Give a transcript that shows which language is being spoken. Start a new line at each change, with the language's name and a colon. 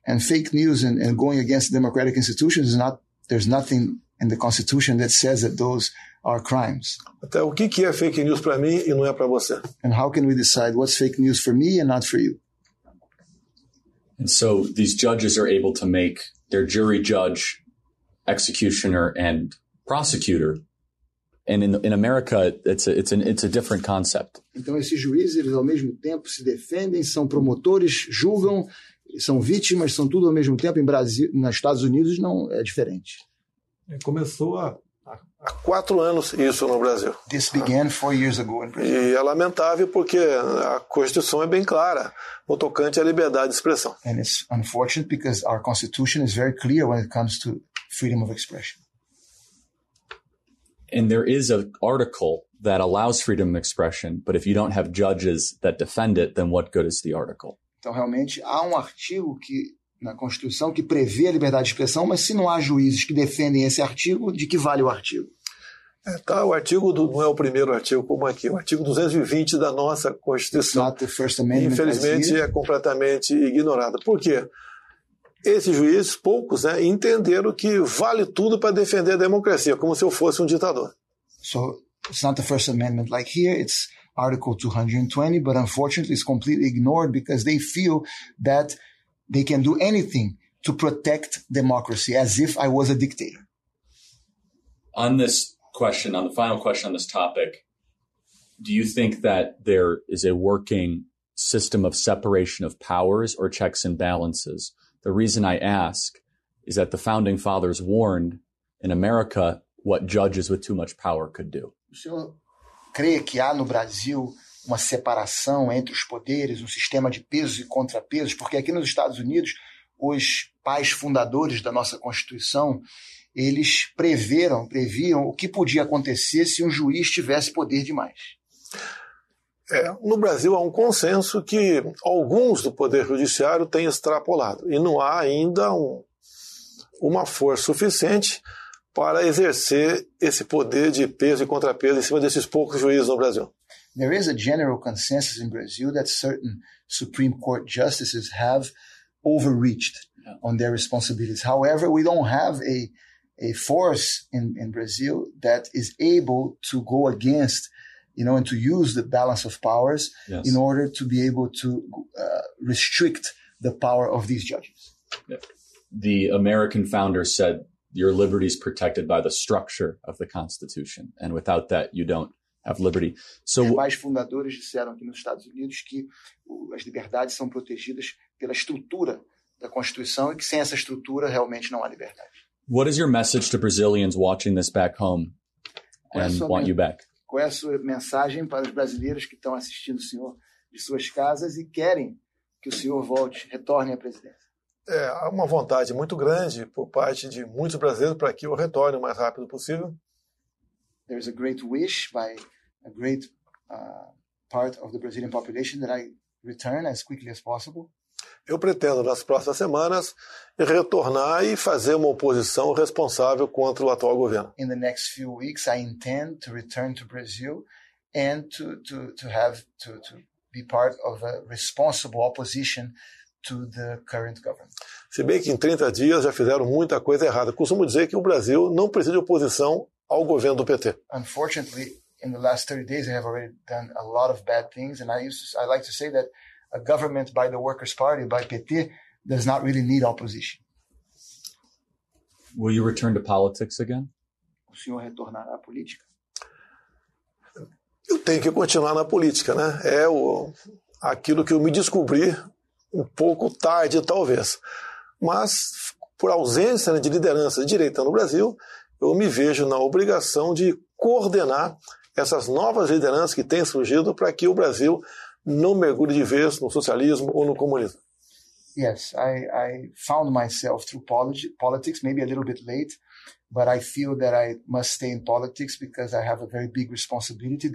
English: And fake news and going against democratic institutions is not, there's nothing in the Constitution that says that those are crimes.
Portuguese: Então, o que que é fake news para mim e não é para você?
English: And how can we decide what's fake news for me and not for you? And so these judges are able to make their jury, judge, executioner and prosecutor. And in America, it's a different concept.
Portuguese: Então esses juízes, eles ao mesmo tempo se defendem, são promotores, julgam, são vítimas, são tudo ao mesmo tempo. Em Brasil, nos Estados Unidos, não é diferente. Começou há 4 anos isso no Brasil.
English: This began 4 years ago in Brazil.
Portuguese: E é lamentável porque a Constituição é bem clara no tocante à liberdade de expressão.
English: And it's unfortunate because our Constitution is very clear when it comes to freedom of expression. And there is an article that allows freedom of expression, but if you don't have judges that defend it, then what good is the article?
Portuguese: Então, realmente, há artigo que, na Constituição que prevê a liberdade de expressão, mas se não há juízes que defendem esse artigo, de que vale o artigo? Tá, o artigo não é o primeiro artigo como aqui, o artigo 220 da nossa Constituição.
English: It's not the First Amendment.
Portuguese: Infelizmente, é completamente ignorado. Por quê? Esses juízes, poucos, né, entenderam que vale tudo para defender a democracia, como se eu fosse um ditador.
English: So, it's not the First Amendment like here, it's Article 220, but unfortunately it's completely ignored because they feel that they can do anything to protect democracy, as if I was a dictator. On this question, on the final question on this topic, do you think that there is a working system of separation of powers or checks and balances? The reason I ask is that the founding fathers warned in America what judges with too much power could do.
Portuguese: O senhor crê que há no Brasil uma separação entre os poderes, um sistema de pesos e contrapesos? Porque aqui nos Estados Unidos, os pais fundadores da nossa Constituição, eles previam o que podia acontecer se um juiz tivesse poder demais. No Brasil há um consenso que alguns do Poder Judiciário têm extrapolado e não há ainda uma força suficiente para exercer esse poder de peso e contrapeso em cima desses poucos juízes no Brasil.
English: There is a general consensus in Brazil that certain Supreme Court justices have overreached on their responsibilities. However, we don't have a force in Brazil that is able to go against, you know, and to use the balance of powers, yes, in order to be able to restrict the power of these judges. The American founder said, your liberty is protected by the structure of the Constitution. And without that, you don't have liberty.
Portuguese: So, os pais fundadores disseram aqui nos Estados Unidos que as liberdades são protegidas pela estrutura da Constituição e que sem essa estrutura realmente não há liberdade.
English: What is your message to Brazilians watching this back home and want you back?
Portuguese: Qual é a sua mensagem para os brasileiros que estão assistindo o senhor de suas casas e querem que o senhor volte, retorne à presidência? É, há uma vontade muito grande por parte de muitos brasileiros para que eu retorne o mais rápido possível.
English: There is a great wish by a great part of the Brazilian population that I return as quickly as possible.
Portuguese: Eu pretendo, nas próximas semanas, retornar e fazer uma oposição responsável contra o atual governo.
English: In the next few weeks, I intend to return to Brazil and to be part of a responsible opposition to the current government.
Portuguese: Se bem que em 30 dias já fizeram muita coisa errada. Costumo dizer que o Brasil não precisa de oposição ao governo do PT.
English: Unfortunately, in the last 30 days, I have already done a lot of bad things, and I like to say that a government by the Workers' Party, by PT, does not really need opposition. Will you return to politics again?
Portuguese: O senhor retornará à política? Eu tenho que continuar na política, né? É aquilo que eu me descobri um pouco tarde, talvez. Mas, por ausência de liderança de direita no Brasil, eu me vejo na obrigação de coordenar essas novas lideranças que têm surgido para que o Brasil não mergulhe de vez no socialismo ou no comunismo.
English: Yes, I found myself through politics, maybe a little bit late, but I feel that I must stay in politics because I have a very big responsibility.